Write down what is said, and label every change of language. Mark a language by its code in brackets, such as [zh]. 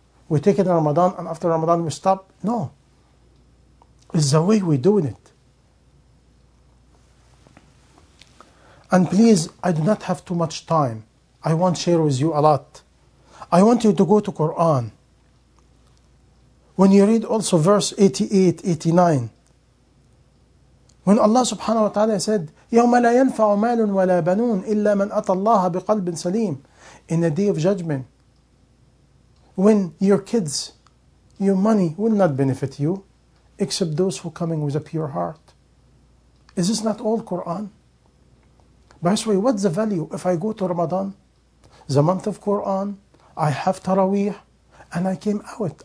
[en] We take it in Ramadan and after Ramadan we stop. No. It's the way we're doing it. And please, I do not have too much time. I want to share with you a lot. I want you to go to Quran. When you read also verse 88, 89. When Allah subhanahu wa ta'ala said, [ar] يَوْمَ لَا يَنْفَعُ مَالٌ وَلَا بَنُونَ إِلَّا مَنْ أَطَى اللَّهَ بِقَلْبٍ سَلِيمٍ. [en] In the day of judgment, when your kids, your money will not benefit you, except those who are coming with a pure heart. Is this not all Quran? By the way, what's the value if I go to Ramadan, the month of Quran, I have Taraweeh, and I came out.